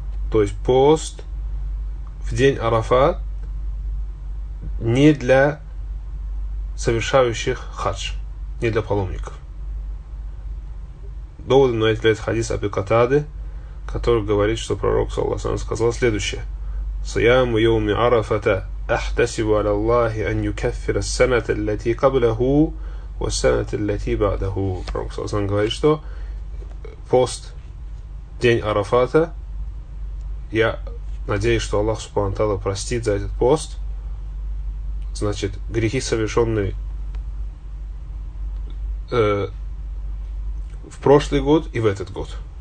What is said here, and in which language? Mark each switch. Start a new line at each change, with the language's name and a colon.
Russian: То есть пост в день Арафат не для совершающих хадж, не для паломников. Доводы на этот хадис Абу Катады, который говорит, что пророк Саласан сказал следующее.
Arabic: صيام يوم عرفة أحتسب على الله أن يكفر السنة التي قبله والسنة التي بعده.
Russian: Он говорит, что пост день Арафата, я надеюсь, что Аллах Субхану Тааля простит за этот пост, значит, грехи, совершенные в прошлый год и в этот год.